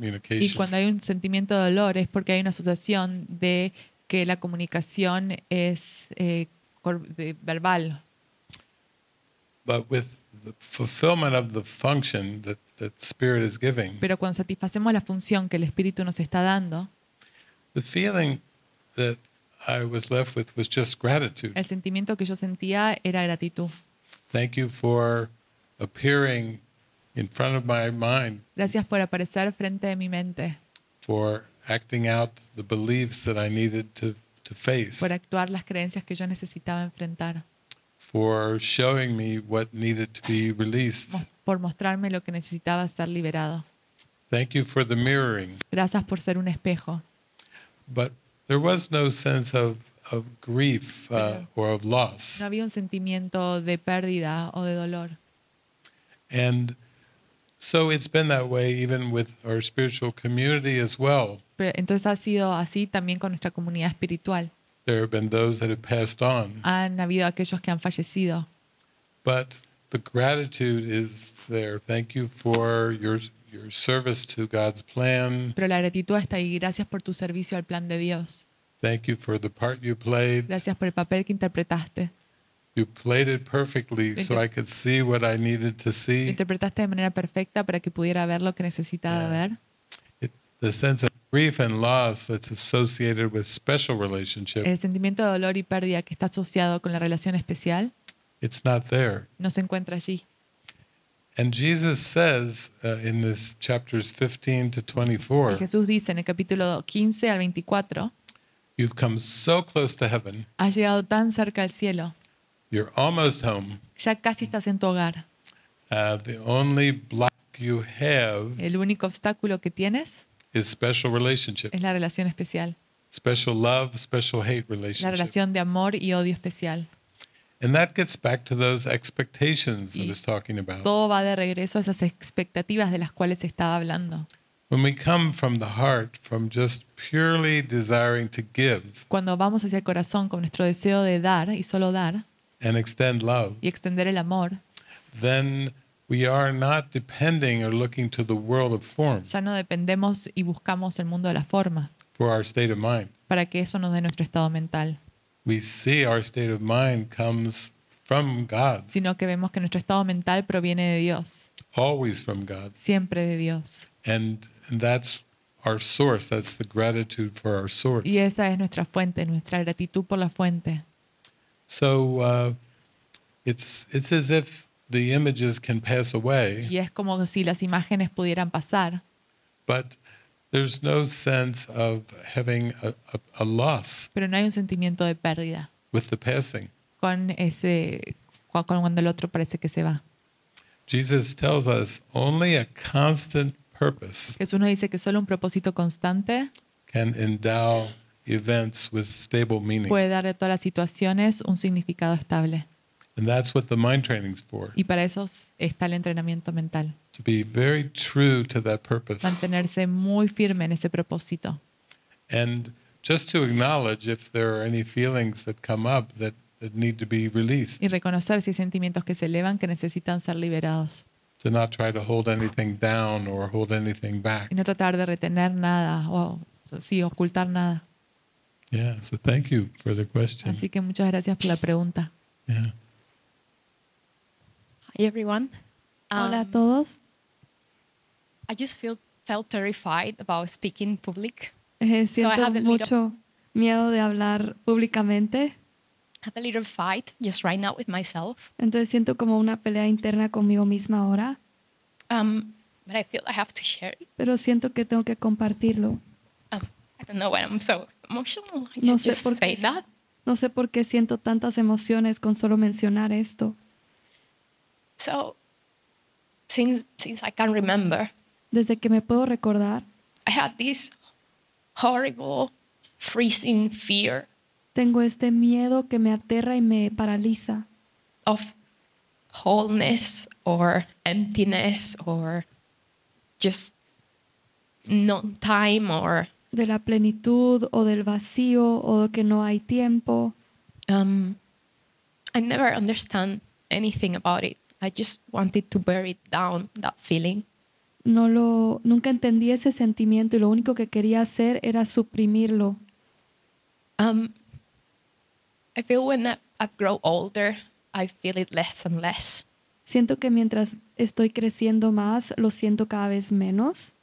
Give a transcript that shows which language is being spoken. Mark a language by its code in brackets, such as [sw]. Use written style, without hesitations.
[es] Y cuando hay un sentimiento de dolor es porque hay una asociación de que la comunicación es verbal. [en] But with the fulfillment of the function that, that spirit is giving. [es] Pero cuando satisfacemos la función que el espíritu nos está dando. [en] The feeling that I was left with was just gratitude. [es] El sentimiento que yo sentía era gratitud. [en] Thank you for appearing in front of my mind. [es] Gracias por aparecer frente a mi mente. [en] For acting out the beliefs that I needed to face. [es] Por actuar las creencias que yo necesitaba enfrentar. [en] For showing me what needed to be released. [es] Por mostrarme lo que necesitaba ser liberado. [en] Thank you for the mirroring. [es] Gracias por ser un espejo. [en] But there was no sense of grief or of loss. [es] No había un sentimiento de pérdida o de dolor. [en] And so it's been that way even with our spiritual community as well. [es] Pero entonces ha sido así también con nuestra comunidad espiritual. [en] There have been those that have passed on. [es] Han habido aquellos que han fallecido. [en] But the gratitude is there. Thank you for your service to God's plan. [es] Pero la gratitud está ahí. Gracias por tu servicio al plan de Dios. [en] Thank you for the part you played. [es] Gracias por el papel que interpretaste. [en] You played it perfectly so I could see what I needed to see. [es] Interpretaste de manera perfecta para que pudiera ver lo que necesitaba ver. [en] The sense of grief and loss that's associated with special relationship. [es] El sentimiento de dolor y pérdida que está asociado con la relación especial. [en] It's not there. [es] No se encuentra allí. [en] And Jesus says in this chapters 15 to 24. [es] Y Jesús dice en el capítulo 15 al 24. [en] You've come so close to heaven. [es] Has llegado tan cerca al cielo. [en] You're almost home. [es] Ya casi estás en tu hogar. [en] The only block you have. [es] El único obstáculo que tienes. [en] Is special relationship. [es] Es la relación especial. [en] Special love, special hate relationship. [es] La relación de amor y odio especial. [en] And that gets back to those expectations I was talking about. [es] Todo va de regreso a esas expectativas de las cuales estaba hablando. [en] When we come from the heart, from just purely desiring to give. [es] Cuando vamos hacia el corazón con nuestro deseo de dar y solo dar. [en] And extend love. [es] Y extender el amor. [en] Then we are not depending or looking to the world of form. [es] Ya no dependemos y buscamos el mundo de la forma. [en] For our state of mind. [es] Para que eso nos dé nuestro estado mental. [en] We see our state of mind comes from God. [es] Sino que vemos que nuestro estado mental proviene de Dios. [en] Always from God. [es] Siempre de Dios. [en] And that's our source. That's the gratitude for our source. [es] Y esa es nuestra fuente, nuestra gratitud por la fuente. [en] So it's as if the images can pass away. [es] Y es como si las imágenes pudieran pasar. [en] But there's no sense of having a loss. [es] Pero no hay un sentimiento de pérdida. [en] With the passing. [es] Con ese cuando el otro parece que se va. [en] Jesus tells us only a constant purpose. [es] Jesús nos dice que solo un propósito constante [en] can endow events with stable meaning. [es] Puede dar a todas las situaciones un significado estable. [en] And that's what the mind training's for. [es] Y para eso está el entrenamiento mental. [en] To be very true to that purpose. [es] Mantenerse muy firme en ese propósito. [en] And just to acknowledge if there are any feelings that come up that need to be released. [es] Y reconocer si hay sentimientos que se elevan que necesitan ser liberados. [en] To not try to hold anything down or hold anything back. [es] Y no tratar de retener nada o sí ocultar nada. [en] Yeah, so thank you for the question. [es] Así que muchas gracias por la pregunta. [en] Yeah. Hi everyone. [es] Hola a todos. [en] I just felt terrified about speaking in public. [es] Siento mucho miedo de hablar públicamente. [en] I had a little fight just right now with myself. [es] Entonces siento como una pelea interna conmigo misma ahora. [en] But I feel I have to share it. [es] Pero siento que tengo que compartirlo. [en] I don't know why I'm so emotional. I just say that. [es] No sé por qué siento tantas emociones con solo mencionar esto. [en] So, since I can remember. [es] Desde que me puedo recordar. [en] I had this horrible freezing fear. [es] Tengo este miedo que me aterra y me paraliza. [en] Of wholeness or emptiness or just not time or... [es] De la plenitud o del vacío o que no hay tiempo. [en] I never understand anything about it. I just wanted to bury down that feeling. [es] Nunca entendí ese sentimiento y lo único que quería hacer era suprimirlo. [en] I feel when I I've grown older, I feel it less and less. [es] Siento que mientras estoy creciendo más, lo siento cada vez menos.